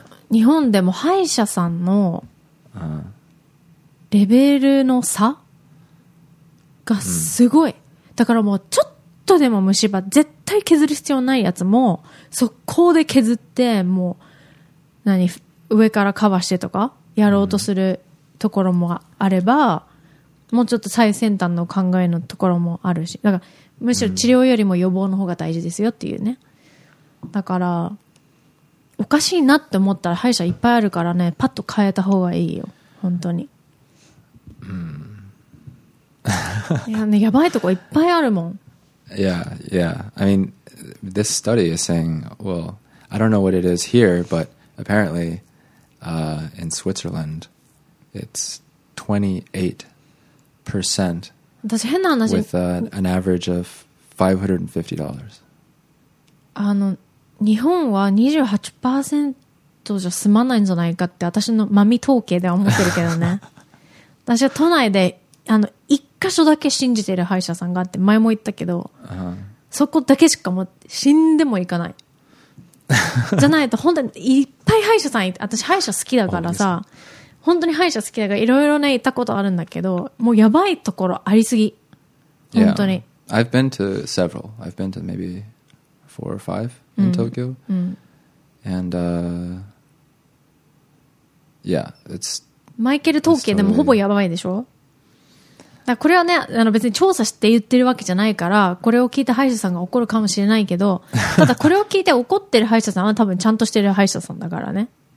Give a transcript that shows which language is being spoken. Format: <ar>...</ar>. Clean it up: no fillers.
<ja>日本でも歯医者さんのレベルの差がすごい、うん、だからもうちょっとでも虫歯絶対削る必要ないやつも速攻で削って、もう何上からカバーしてとかやろうとするところもあれば、うん、もうちょっと最先端の考えのところもあるし、だからむしろ治療よりも予防の方が大事ですよっていうね。だからおかしいなって思ったら歯医者いっぱいあるからね、パッと変えた方がいいよ本当に。いやね、やばいとこいっぱいあるもん。</ja> <en>Yeah, yeah. I mean, this study is saying, well, I don't know what it is here, but apparently, in Switzerland, it's 28%.</en> <ja>私変な話。</ja> <en>With an average of $550.</en> <ja>日本は 28% じゃ済まないんじゃないかって私のマミ統計では思ってるけどね。私は都内で、一箇所だけ信じてる歯医者さんがあって前も言ったけど、そこだけしかも死んでも行かない。じゃないと本当にいっぱい歯医者さんいて、私歯医者好きだからさ、本当に歯医者好きだからいろいろね行ったことあるんだけど、もうやばいところありすぎ。本当に。</ja> <en>Yeah. I've been to several. I've been to maybe four or five in Tokyo. And, yeah, it's...</en> <ja>マイケル統計でもほぼやばいでしょ？だこれはね、別に調査して言ってるわけじゃないから、これを聞いた歯医者さんが怒るかもしれないけど、ただこれを聞いて怒ってる歯医者さんは多分ちゃんとしてる歯医者さんだからね。</ja>